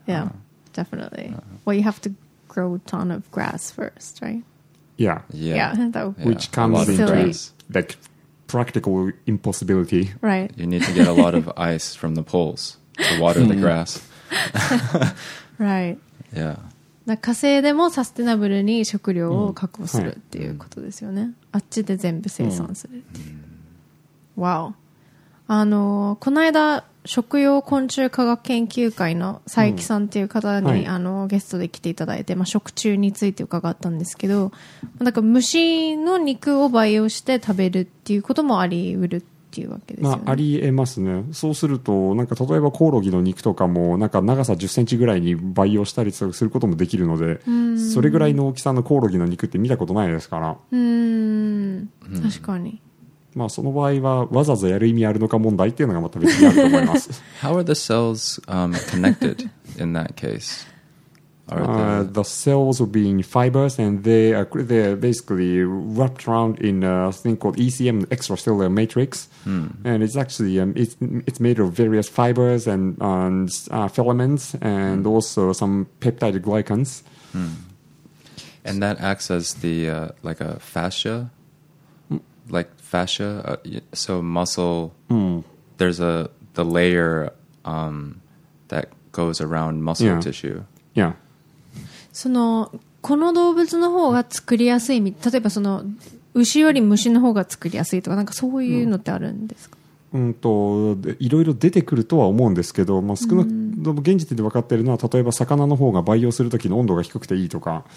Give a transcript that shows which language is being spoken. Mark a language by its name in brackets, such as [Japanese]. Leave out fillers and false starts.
[English] Yeah, definitely. Well, you have to grow a ton of grass first, right? Yeah. Yeah. That would which comes into like practical impossibility. Right. You need to get a lot of ice from the poles to water the grass. Right. Yeah. [Japanese] 火星でもサステナブルに食料を確保するっていうことですよね。あっちで全部生産するっていう。 Wow. あの、この間食用昆虫科学研究会の佐伯さんっていう方に、あのゲストで来ていただいて、まあ、食虫について伺ったんですけど、なんか虫の肉を培養して食べるっていうこともありうるっていうわけですよね。まあ、ありえますね。そうするとなんか例えばコオロギの肉とかもなんか長さ10センチぐらいに培養したりすることもできるので、それぐらいの大きさのコオロギの肉って見たことないですから。確かに。まあ、その場合はわざわざやる意味あるのか問題っていうのがまた別にあると思います。 [English] How are the cells connected in that case? The cells will be in fibers and they're basically wrapped around in a thing called ECM, extracellular matrix. And it's actually it's made of various fibers and filaments and also some peptide glycans. And that acts as the like a fascia? Like fascia, so muscle, there's the layer that goes around muscle tissue. Yeah. [Japanese] そのこの動物の方が作りやすい、例えばその牛より虫の方が作りやすいとか、なんかそういうのってあるんですか？いろいろ出てくるとは思うんですけど、まあ、少なくとも現時点で分かっているのは、例えば魚の方が培養するときの温度が低くていいとか。